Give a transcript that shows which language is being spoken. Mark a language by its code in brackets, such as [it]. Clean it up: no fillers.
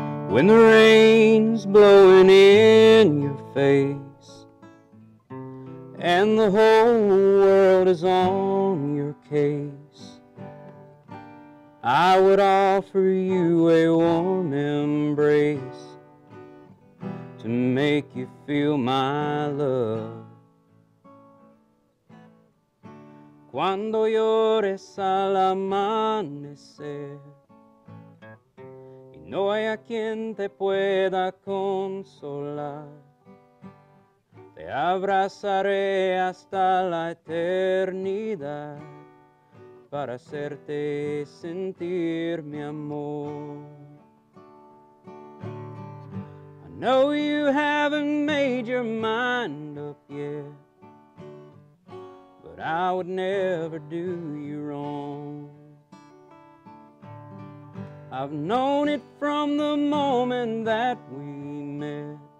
[en] When the rain's blowing in your face and the whole world is on your case, I would offer you a warm embrace to make you feel my love. [es] Cuando llores al amanecer, no hay a quien te pueda consolar, te abrazaré hasta la eternidad para hacerte sentir mi amor. [en] I know you haven't made your mind up yet, but I would never do you wrong. I've known it from the moment that we met.